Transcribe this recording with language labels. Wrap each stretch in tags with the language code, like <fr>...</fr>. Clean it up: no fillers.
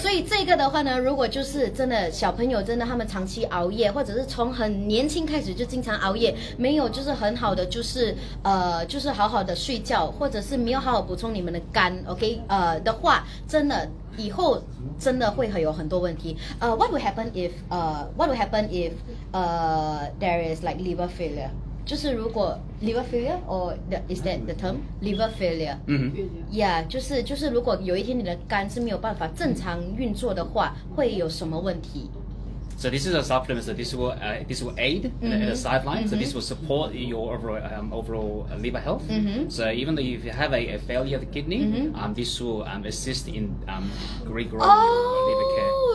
<zh>所以这个的话呢，如果就是真的小朋友真的他们长期熬夜，或者是从很年轻开始就经常熬夜，没有就是很好的就是好好的睡觉，或者是没有好好补充你们的肝 ，OK， 的话，真的以后真的会有很多问题。</zh> <en>What would happen if there is like liver failure?</en> <zh>就是如果</zh> <en>liver failure or is that the term? Liver failure.</en> <zh>Yeah, 就是如果有一天你的肝是没有办法正常运作的话，会有什么问题？</zh> <en>So this is a supplement. So this will aid at the sideline. So this will support your overall liver health. So even though if you have a failure of the kidney, this will assist in regrowing liver care.</en>